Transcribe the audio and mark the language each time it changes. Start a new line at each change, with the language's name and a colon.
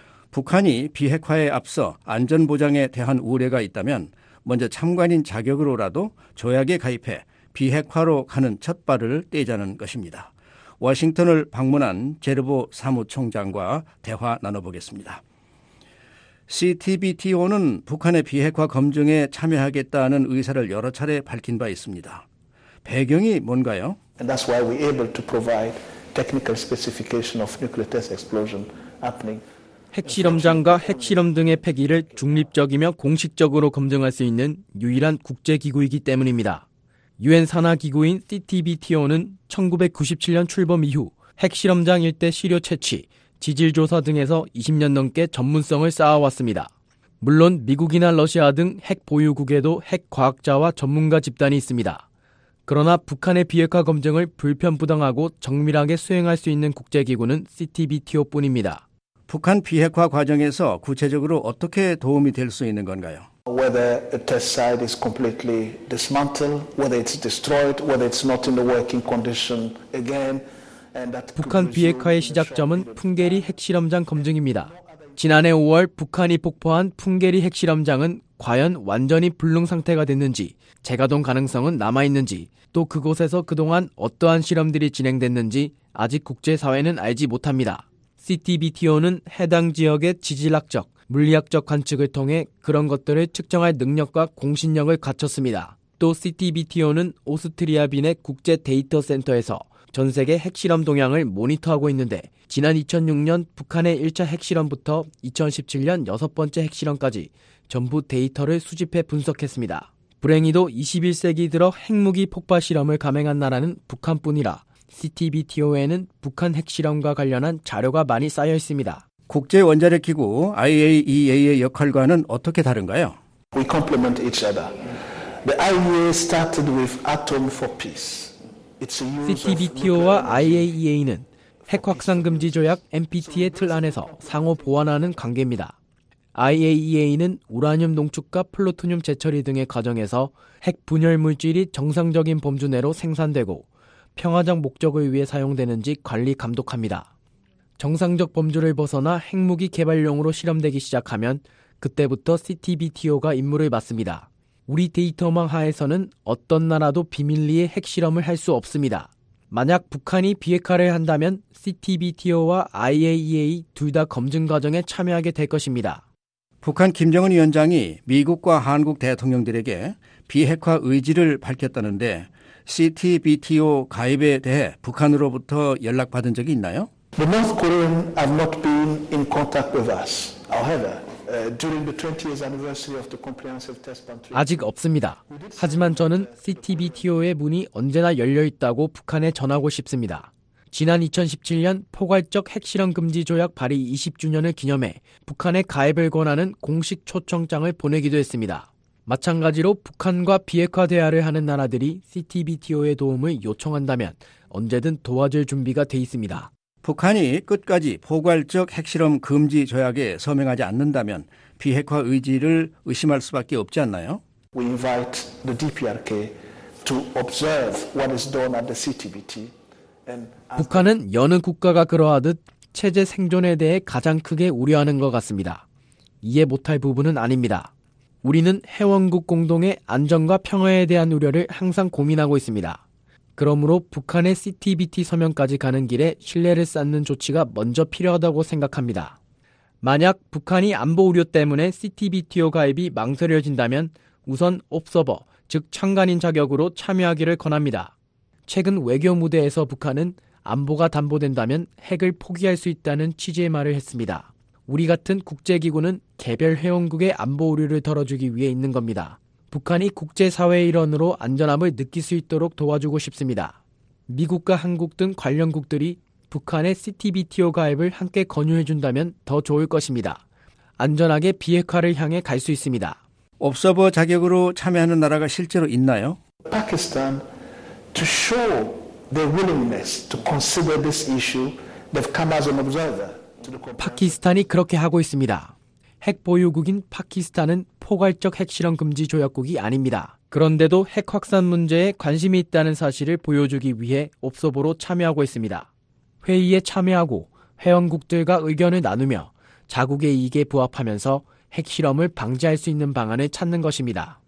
Korean: 북한이 비핵화에 앞서 안전보장에 대한 우려가 있다면 먼저 참관인 자격으로라도 조약에 가입해 비핵화로 가는 첫 발을 떼자는 것입니다. 워싱턴을 방문한 제르보 사무총장과 대화 나눠보겠습니다. CTBTO는 북한의 비핵화 검증에 참여하겠다는 의사를 여러 차례 밝힌 바 있습니다. 배경이 뭔가요?
English: And that's why we're able to provide technical specification of nuclear test explosion happening.
Korean: 핵실험장과 핵실험 등의 폐기를 중립적이며 공식적으로 검증할 수 있는 유일한 국제기구이기 때문입니다. 유엔 산하기구인 CTBTO는 1997년 출범 이후 핵실험장 일대 시료 채취, 지질 조사 등에서 20년 넘게 전문성을 쌓아왔습니다. 물론 미국이나 러시아 등 핵 보유국에도 핵 과학자와 전문가 집단이 있습니다. 그러나 북한의 비핵화 검증을 불편부당하고 정밀하게 수행할 수 있는 국제기구는 CTBTO뿐입니다. 북한 비핵화 과정에서 구체적으로 어떻게 도움이 될 수 있는 건가요?
English: Whether a test site is completely dismantled, whether it's destroyed, whether it's not in the working condition again.
Korean: 북한 비핵화의 시작점은 풍계리 핵실험장 검증입니다. 지난해 5월 북한이 폭파한 풍계리 핵실험장은 과연 완전히 불능 상태가 됐는지, 재가동 가능성은 남아있는지, 또 그곳에서 그동안 어떠한 실험들이 진행됐는지 아직 국제사회는 알지 못합니다. CTBTO는 해당 지역의 지질학적, 물리학적 관측을 통해 그런 것들을 측정할 능력과 공신력을 갖췄습니다. 또 CTBTO는 오스트리아 빈의 국제 데이터 센터에서 전 세계 핵실험 동향을 모니터하고 있는데 지난 2006년 북한의 1차 핵실험부터 2017년 여섯 번째 핵실험까지 전부 데이터를 수집해 분석했습니다. 불행히도 21세기 들어 핵무기 폭발 실험을 감행한 나라는 북한뿐이라 CTBTO에는 북한 핵실험과 관련한 자료가 많이 쌓여 있습니다. 국제원자력기구 IAEA의 역할과는 어떻게 다른가요?
English: We complement each other. The IAEA started with Atom for Peace.
Korean: CTBTO와 IAEA는 핵확산금지조약 NPT의 틀 안에서 상호 보완하는 관계입니다. IAEA는 우라늄 농축과 플루토늄 재처리 등의 과정에서 핵분열 물질이 정상적인 범주 내로 생산되고 평화적 목적을 위해 사용되는지 관리 감독합니다. 정상적 범주를 벗어나 핵무기 개발용으로 실험되기 시작하면 그때부터 CTBTO가 임무를 맡습니다. 우리 데이터망 하에서는 어떤 나라도 비밀리에 핵실험을 할 수 없습니다. 만약 북한이 비핵화를 한다면 CTBTO와 IAEA 둘 다 검증 과정에 참여하게 될 것입니다. 북한 김정은 위원장이 미국과 한국 대통령들에게 비핵화 의지를 밝혔다는데 CTBTO 가입에 대해 북한으로부터 연락받은 적이 있나요?
English: The North Koreans have not been in contact with us. However, during the 20th anniversary of the comprehensive test ban treaty.
Korean: 아직 없습니다. 하지만 저는 CTBTO의 문이 언제나 열려 있다고 북한에 전하고 싶습니다. 지난 2017년 포괄적 핵실험 금지 조약 발의 20주년을 기념해 북한에 가입을 권하는 공식 초청장을 보내기도 했습니다. 마찬가지로 북한과 비핵화 대화를 하는 나라들이 CTBTO의 도움을 요청한다면 언제든 도와줄 준비가 돼 있습니다. 북한이 끝까지 포괄적 핵실험 금지 조약에 서명하지 않는다면 비핵화 의지를 의심할 수밖에 없지 않나요?
English: We invite the DPRK to observe what is done at the CTBT.
Korean: 북한은 여느 국가가 그러하듯 체제 생존에 대해 가장 크게 우려하는 것 같습니다. 이해 못할 부분은 아닙니다. 우리는 회원국 공동의 안전과 평화에 대한 우려를 항상 고민하고 있습니다. 그러므로 북한의 CTBT 서명까지 가는 길에 신뢰를 쌓는 조치가 먼저 필요하다고 생각합니다. 만약 북한이 안보 우려 때문에 CTBTO 가입이 망설여진다면 우선 옵서버, 즉 참관인 자격으로 참여하기를 권합니다. 최근 외교 무대에서 북한은 안보가 담보된다면 핵을 포기할 수 있다는 취지의 말을 했습니다. 우리 같은 국제기구는 개별 회원국의 안보 우려를 덜어주기 위해 있는 겁니다. 북한이 국제사회의 일원으로 안전함을 느낄 수 있도록 도와주고 싶습니다. 미국과 한국 등 관련국들이 북한의 CTBTO 가입을 함께 권유해준다면 더 좋을 것입니다. 안전하게 비핵화를 향해 갈 수 있습니다. 옵서버 자격으로 참여하는 나라가 실제로 있나요?
English: 파키스탄 to show their willingness to consider this issue, they've come as an observer.
Korean: 파키스탄이 그렇게 하고 있습니다. 핵 보유국인 파키스탄은 포괄적 핵실험 금지 조약국이 아닙니다. 그런데도 핵 확산 문제에 관심이 있다는 사실을 보여주기 위해 옵서버로 참여하고 있습니다. 회의에 참여하고 회원국들과 의견을 나누며 자국의 이익에 부합하면서 핵실험을 방지할 수 있는 방안을 찾는 것입니다.